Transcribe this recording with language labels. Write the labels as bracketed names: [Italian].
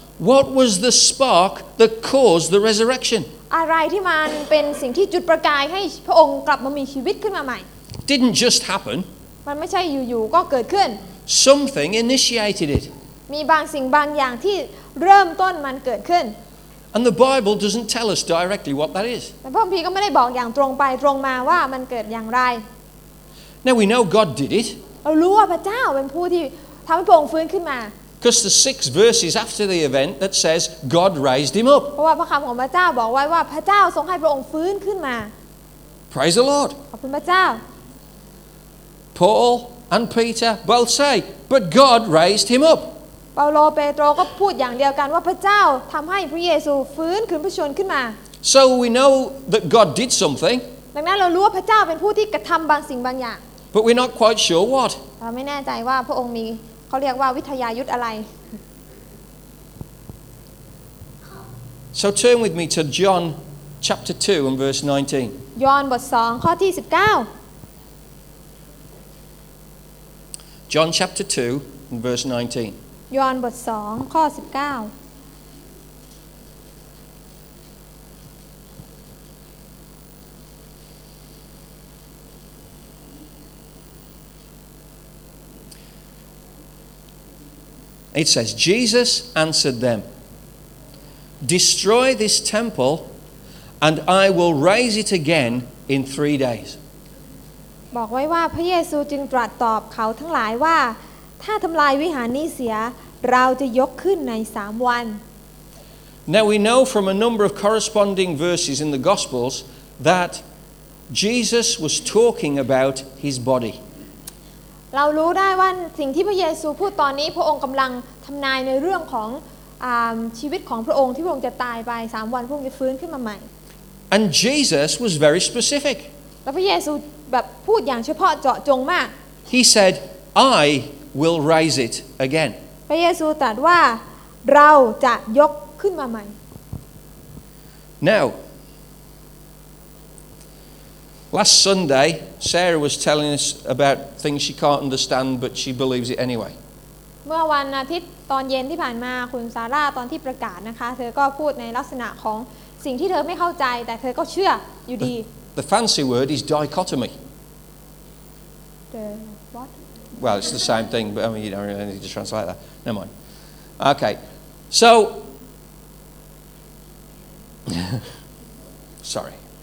[English] What was the spark that caused the resurrection [Thai] อะไรที่มันเป็นสิ่งที่จุดประกายให้พระองค์กลับมามีชีวิตขึ้นมาใหม่ [English] Didn't just happen [Thai] มันไม่ใช่อยู่ๆก็เกิดขึ้น [English] Something initiated it [Thai] มีบางสิ่งบางอย่างที่เริ่มต้นมันเกิดขึ้น [English] And the Bible doesn't tell us directly what that is. [Thai] แต่พระคัมภีร์ก็ไม่ได้บอกอย่างตรงไปตรงมาว่ามันเกิดอย่างไร [English] Now we know God did it. [Thai] เรารู้ว่าพระเจ้าเป็นผู้ที่ทำให้พระองค์ฟื้นขึ้นมา [English] Because the 6 verses after the event that says God raised him up. [Thai] เพราะว่าพระคำของพระเจ้าบอกไว้ว่าพระเจ้าทรงให้พระองค์ฟื้นขึ้นมา [English] Praise the Lord. [Thai] ขอบคุณพระเจ้า [English] Paul and Peter both say, but God raised him up. [Thai] เปาโลเปโตรก็พูดอย่างเดียวกันว่าพระเจ้าทำให้พระเยซูฟื้นคืนพระชนขึ้นมา [English] So we know that God did something [Thai] ดังนั้นเรารู้ว่าพระเจ้าเป็นผู้ที่กระทำบางสิ่งบางอย่าง [English] But we're not quite sure what [Thai] เราไม่แน่ใจว่าพระองค์มีเขาเรียกว่าวิทยายุทธอะไร [English] So turn with me to John chapter 2 and verse 19 [Thai] ยอห์นบท2ข้อที่19 [English] John chapter 2 and verse 19 [Thai] ยอห์นบท2ข้อ19 [English] It says Jesus answered them Destroy this temple and I will raise it again in 3 days [Thai] บอกไว้ว่าพระเยซูจึงตรัสตอบเขาทั้งหลายว่าถ้าทำลายวิหารนี้เสียเราจะยกขึ้นใน3วัน [English] Now we know from a number of corresponding verses in the Gospels that Jesus was talking about his body [Thai] เรารู้ได้ว่าสิ่งที่พระเยซูพูดตอนนี้พระองค์กำลังทำนายในเรื่องของ ชีวิตของพระองค์ที่พระองค์จะตายไป3วันพระองค์จะฟื้นขึ้นมาใหม่ [English] And Jesus was very specific [Thai] แล้วพระเยซูแบบพูดอย่างเฉพาะเจาะจงมาก [English] He said I will rise it again [Thai] พระเยซูตรัสว่าเราจะยกขึ้นมาใหม่ [English] NowLast Sunday, Sarah was telling us about things she can't understand, but she believes it anyway. [Thai] เมื่อวันอาทิตย์ตอนเย็นที่ผ่านมาคุณซาร่าตอนที่ประกาศนะคะเธอก็พูดในลักษณะของสิ่งที่เธอไม่เข้าใจแต่เธอก็เชื่ออยู่ดี [English] The fancy word is dichotomy. The what? Well, it's the same thing, but I mean, you don't really need to translate that. Never mind. Okay. So, sorry.